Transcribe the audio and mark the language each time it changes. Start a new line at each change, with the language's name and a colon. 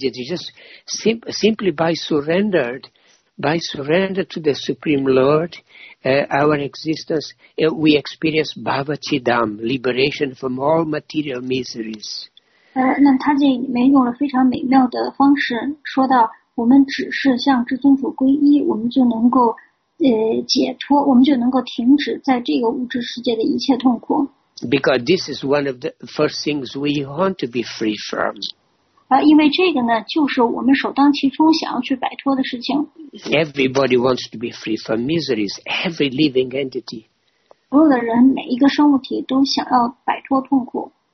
English: It is just simply by surrender to the Supreme Lord, our existence, we experience bhavachidam, liberation from all material miseries.
Chinese: 那他这里面用了非常美妙的方式，说到我们只是向至尊主皈依，我们就能够解脱，我们就能够停止在这个物质世界的一切痛苦。
English: Because this is one of the first things we want to be free from.
Chinese: 因为这个呢，就是我们首当其冲想要去摆脱的事情。
English: Everybody wants to be free from miseries. Every living entity.
Chinese: 所有的人，每一个生物体都想要摆脱痛苦。